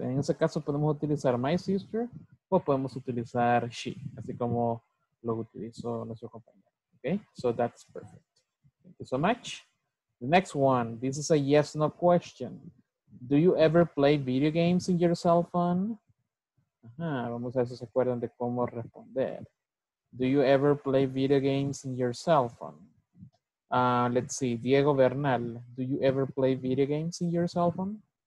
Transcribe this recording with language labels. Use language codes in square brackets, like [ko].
[es] En ese caso podemos utilizar [en] my sister [es] o podemos utilizar she, así como lo utilizó nuestro compañero. [en] Okay, so that's perfect. Thank you so much. The next one, this is a yes no question. Do you ever play video games in your cell phone? [es] Vamos a ver si se acuerdan de cómo responder. [en] Do you ever play video games in your cell phone? Let's see, Diego Bernal, do you ever play video games in your cell phone?